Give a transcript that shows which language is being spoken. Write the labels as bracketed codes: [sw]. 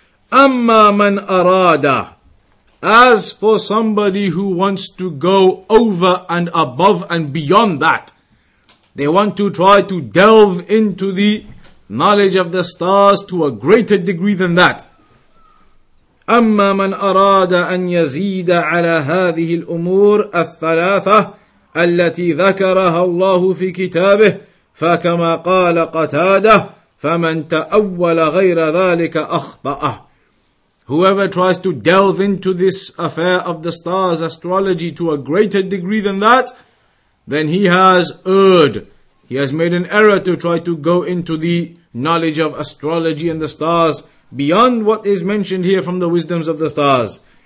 [ar] Amma man arada. [en] As for somebody who wants to go over and above and beyond that, they want to try to delve into the knowledge of the stars to a greater degree than that. [ar] أما من أراد أن يزيد على هذه الأمور الثلاثة التي ذكرها الله في كتابه فكما قال قتاده فمن تأول غير ذلك أخطأ. [en] Whoever tries to delve into this affair of the stars, astrology, to a greater degree than that, then he has erred. He has made an error to try to go into the knowledge of astrology and the stars beyond what is mentioned here from the wisdoms of the stars.